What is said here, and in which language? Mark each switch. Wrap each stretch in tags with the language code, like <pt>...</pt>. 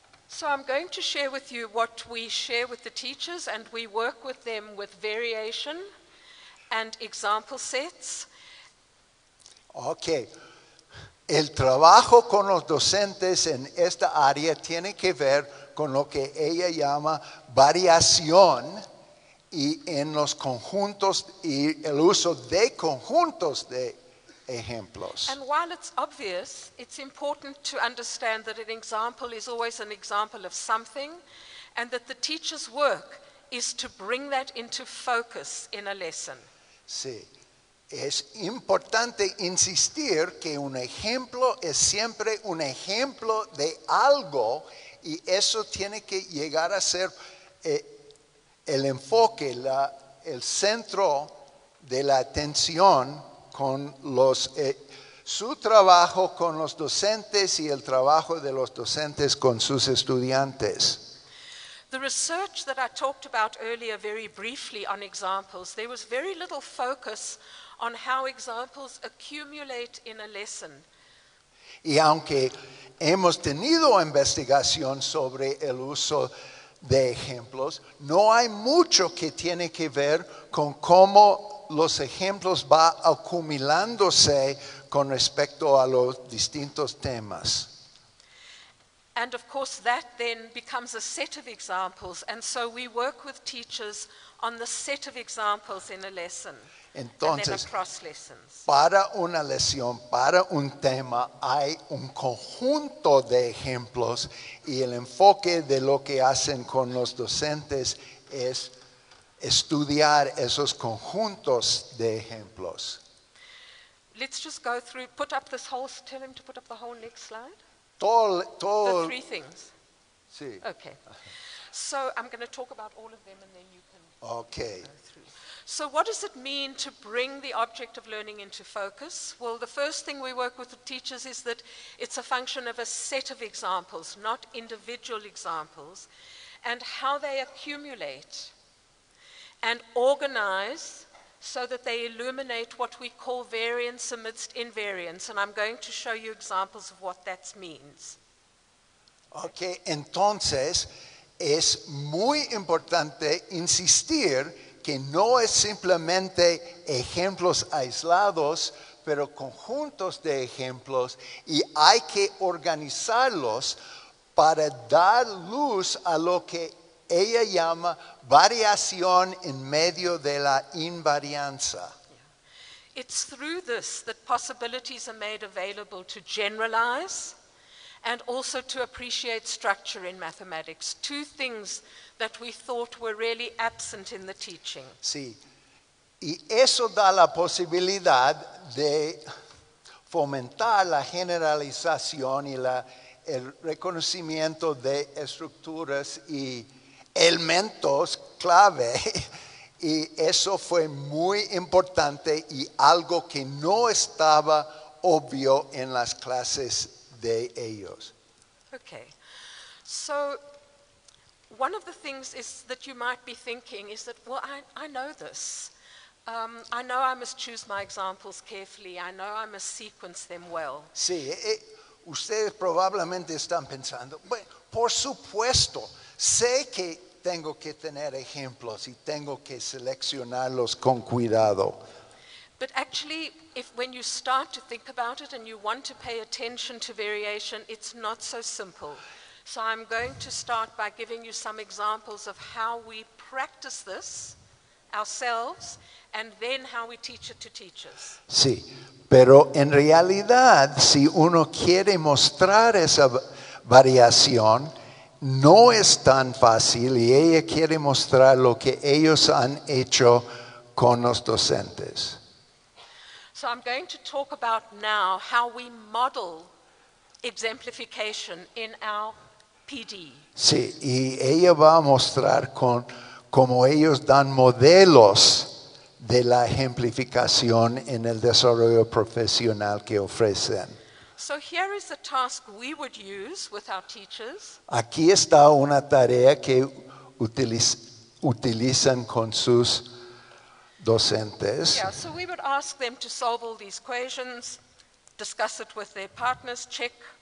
<en>So I'm going to share with you what we share with the teachers, and we work with them with variation and example sets. Okay.</en> <es>El trabajo con los docentes en esta área tiene que ver con lo que ella llama variación y en los conjuntos y el uso de conjuntos de ejemplos.</es> <en>And while it's obvious, it's important to understand that an example is always an example of something, and that the teacher's work is to bring that into focus in a lesson.</en> <es>Sí. Es importante insistir que un ejemplo es siempre un ejemplo de algo, y eso tiene que llegar a ser el enfoque, el centro de la atención con los su trabajo con los docentes y el trabajo de los docentes con sus estudiantes.</es> <en>The research that I talked about earlier very briefly on examples, there was very little focus on how examples accumulate in a lesson.</en> <es>Y aunque hemos tenido investigación sobre el uso de ejemplos, no hay mucho que tiene que ver con cómo los ejemplos va acumulándose con respecto a los distintos temas.</es> <en>And of course that then becomes a set of examples, and so we work with teachers on the set of examples in a lesson.</en> <es>Entonces,</es> <en>and then across lessons.</en> <es>Para una lección, para un tema, hay un conjunto de ejemplos, y el enfoque de lo que hacen con los docentes es estudiar esos conjuntos de ejemplos.</es> <en>Let's just go through, put up this whole, tell him to put up the whole next slide.</en> <es>Todo.</es> <en>The three things.</en> <es>Sí.</es> <en>Okay. So I'm going to talk about all of them and then you can okay. go through. So what does it mean to bring the object of learning into focus? Well, the first thing we work with the teachers is that it's a function of a set of examples, not individual examples, and how they accumulate and organize so that they illuminate what we call variance amidst invariance, and I'm going to show you examples of what that means.</en> <es>Okay, entonces, es muy importante insistir que no es simplemente ejemplos aislados, pero conjuntos de ejemplos, y hay que organizarlos para dar luz a lo que ella llama variación en medio de la invarianza.</es> <en>Yeah. It's through this that possibilities are made available to generalize and also to appreciate structure in mathematics. Two things that we thought were really absent in the teaching.</en> <es>Sí. Y eso da la posibilidad de fomentar la generalización y el reconocimiento de estructuras y elementos clave, y eso fue muy importante y algo que no estaba obvio en las clases de ellos.</es> <en>Okay, so one of the things is that you might be thinking is that, well, I know this. I know I must choose my examples carefully. I know I must sequence them well.</en> <es>Sí, ustedes probablemente están pensando, bueno, por supuesto, sé que tengo que tener ejemplos y tengo que seleccionarlos con cuidado.</es> <en>But actually, when you start to think about it and you want to pay attention to variation, it's not so simple. So I'm going to start by giving you some examples of how we practice this ourselves and then how we teach it to teachers.</en> <es>Sí, pero en realidad, si uno quiere mostrar esa variación, no es tan fácil, y ella quiere mostrar lo que ellos han hecho con los docentes.</es> <en>So I'm going to talk about now how we model exemplification in our PD.</en> <es>Sí, y ella va a mostrar cómo ellos dan modelos de la ejemplificación en el desarrollo profesional que ofrecen.</es> <en>So here is a task we would use with our teachers.</en> <es>Aquí está una tarea que utilizan con sus docentes.</es> <en>Yeah, so we would ask them to solve all these equations, discuss it with their partners, check.</en>